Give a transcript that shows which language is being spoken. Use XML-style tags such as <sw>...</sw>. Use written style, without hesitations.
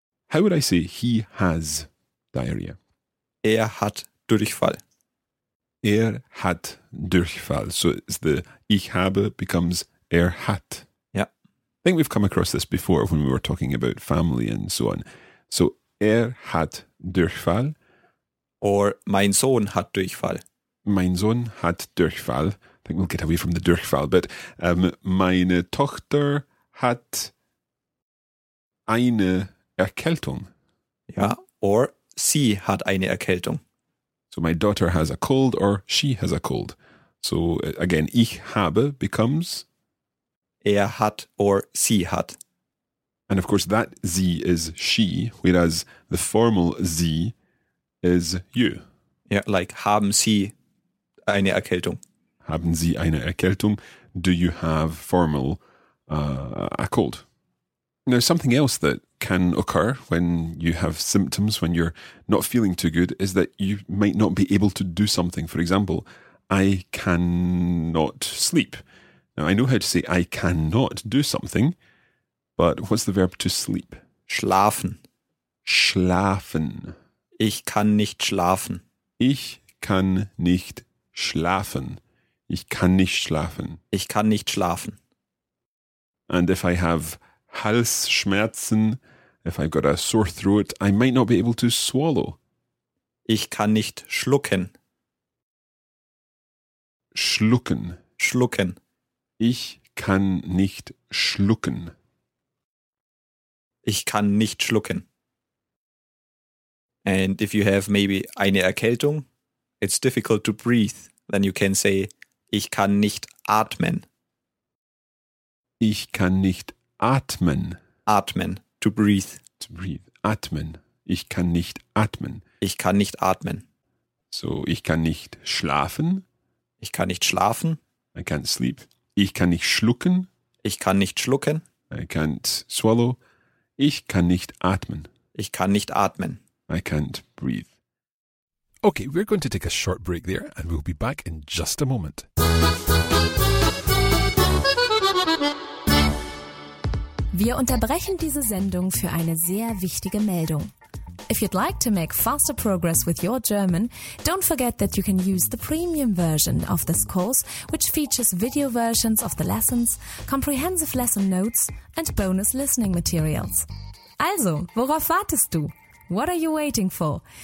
<en>How would I say he has diarrhea?</en> <de>Er hat Durchfall. Er hat Durchfall.</de> <en>So it's the ich habe becomes er hat. Yeah. I think we've come across this before when we were talking about family and so on.</en> <de>So er hat Durchfall. Or mein Sohn hat Durchfall. Mein Sohn hat Durchfall.</de> <en>I think we'll get away from the Durchfall, but</en> <de>meine Tochter hat eine Erkältung.</de> <en>Yeah.</en> <de>Or sie hat eine Erkältung.</de> <en>So my daughter has a cold or she has a cold. So again, ich habe becomes?</en> <de>Er hat or sie hat.</de> <en>And of course that sie is she, whereas the formal sie is you. Yeah, like</en> <de>haben sie eine Erkältung. Haben sie eine Erkältung?</de> <en>Do you have formal a cold? Now, something else that can occur when you have symptoms, when you're not feeling too good, is that you might not be able to do something. For example, I cannot sleep. Now, I know how to say I cannot do something, but what's the verb to sleep?</en> <de>Schlafen. Schlafen. Ich kann nicht schlafen. Ich kann nicht schlafen. Ich kann nicht schlafen. Ich kann nicht schlafen.</de> <en>And if I have Halsschmerzen, if I've got a sore throat, I might not be able to swallow.</en> <de>Ich kann nicht schlucken. Schlucken. Schlucken. Ich kann nicht schlucken. Ich kann nicht schlucken. And if you have maybe eine Erkältung, it's difficult to breathe, then you can say, ich kann nicht atmen. Ich kann nicht atmen.</de> <en>Atmen. To breathe. To breathe.</en> <de>Atmen. Ich kann nicht atmen. Ich kann nicht atmen. So, ich kann nicht schlafen. Ich kann nicht schlafen.</de> <en>I can't sleep.</en> <de>Ich kann nicht schlucken. Ich kann nicht schlucken.</de> <en>I can't swallow.</en> <de>Ich kann nicht atmen. Ich kann nicht atmen.</de> <en>I can't breathe. Okay, we're going to take a short break there and we'll be back in just a moment.</en> <de>Wir unterbrechen diese Sendung für eine sehr wichtige Meldung.</de> <en>If you'd like to make faster progress with your German, don't forget that you can use the premium version of this course, which features video versions of the lessons, comprehensive lesson notes and bonus listening materials.</en> <de>Also, worauf wartest du?</de> <en>What are you waiting for?</en>